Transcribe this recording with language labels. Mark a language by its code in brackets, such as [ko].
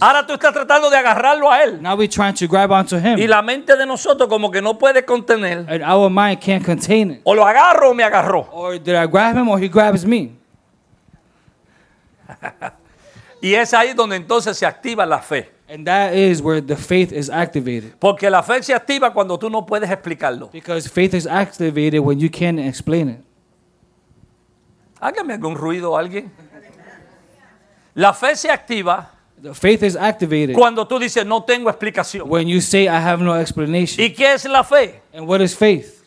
[es] Ahora tú estás tratando de agarrarlo a él. [en] Now we're trying to grab onto him. [es] Y la mente de nosotros como que no puede contener. [en] And our mind can't contain it. [es] O lo agarro o me agarró. [en] Or did I grab him or he grabs me. [es] Y es ahí donde entonces se activa la fe. [en] And that is where the faith is activated. [es] Porque la fe se activa cuando tú no puedes explicarlo. [en] Because faith is activated when you can't explain it. [es] Hágame algún ruido alguien. La fe se activa. [en] The faith is activated. [es] Cuando tú dices no tengo explicación. [en] When you say I have no explanation. [es] ¿Y qué es la fe? [en] And what is faith?